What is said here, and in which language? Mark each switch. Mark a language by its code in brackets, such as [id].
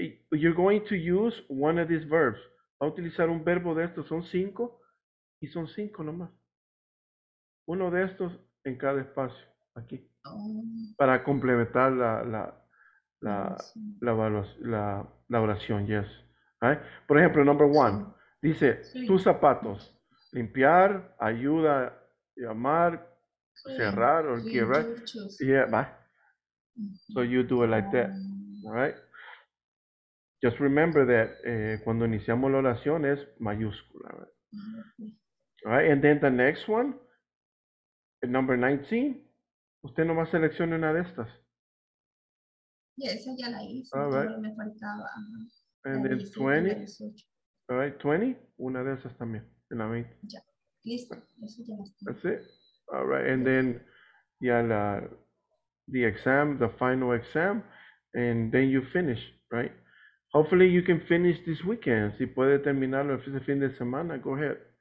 [en] You're going to use one of these verbs. [es] Va a utilizar un verbo de estos. Son 5 y son 5 nomás. Uno de estos en cada espacio, aquí, para complementar la oración, yes. Right? Por ejemplo, number one, dice, tus zapatos, limpiar, ayuda, llamar, cerrar, or give, right? Yeah, bye. [en] So you do it like that, right? Just remember that [es] cuando iniciamos la oración es mayúscula, [en] right? Right? And then the next one, [es] el number 19, usted nomás seleccione una de estas. Sí, esa ya la hice. All right. Me faltaba. [en] And then 20. All right, 20, [es] una de esas también. En la 20. Ya, listo. [en] That's it. All right, and then ya la, the exam, the final exam, and then you finish, right? Hopefully you can finish this weekend. [es] Si puede terminarlo el fin de semana, [en] go ahead.